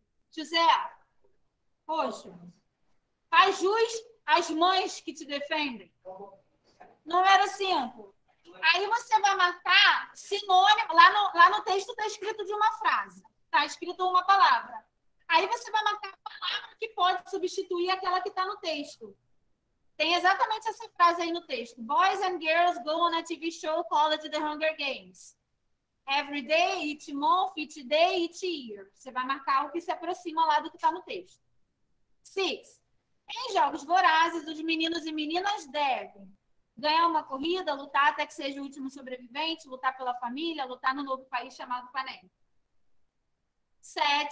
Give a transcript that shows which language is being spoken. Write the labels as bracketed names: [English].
[Portuguese] José, poxa, faz jus às mães que te defendem. Número 5. Aí você vai marcar sinônimo... Lá no texto está escrito de uma frase. Está escrito uma palavra. Aí você vai marcar a palavra que pode substituir aquela que está no texto. Tem exatamente essa frase aí no texto. [English] Boys and girls go on a TV show called The Hunger Games. Every day, each month, each day, each year. [Portuguese] Você vai marcar o que se aproxima lá do que está no texto. 6. Em Jogos Vorazes, os meninos e meninas devem ganhar uma corrida, lutar até que seja o último sobrevivente, lutar pela família, lutar no novo país chamado Panem. 7.